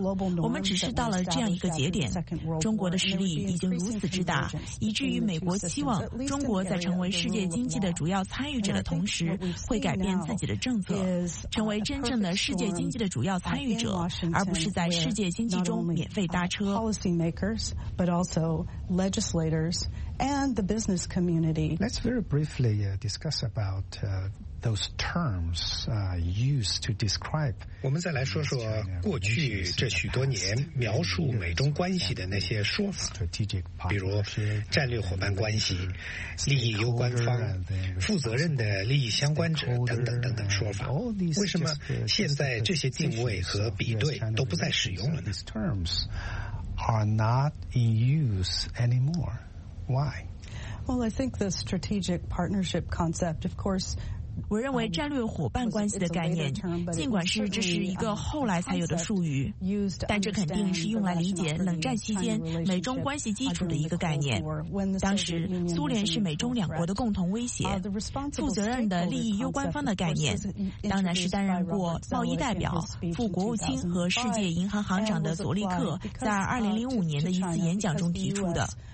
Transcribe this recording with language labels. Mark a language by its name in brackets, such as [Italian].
[Chinese] 我们只是到了这样一个节点，中国的实力已经如此之大，以至于美国期望中国在成为世界经济的主要参与者的同时会改变自己的政策，成为真正的世界经济的主要参与者，而不是在世界经济中免费搭车。 [English] And the business community. Let's very briefly discuss about those terms used to describe. [Chinese] 我们再来说说过去这许多年描述美中关系的那些说法，比如战略伙伴关系、利益攸关方、负责任的利益相关者等等等等说法。为什么现在这些定位和比对都不再使用了呢？ [English] These terms are not in use anymore. Why? Well, I think the strategic partnership concept, of course, [Chinese] 我认为战略伙伴关系的概念，尽管是这是一个后来才有的术语，但这肯定是用来理解冷战期间美中关系基础的一个概念。当时苏联是美中两国的共同威胁，负责任的利益攸关方的概念当然是担任过贸易代表、副国务卿和世界银行行长的佐利克在2005年的一次演讲中提出的。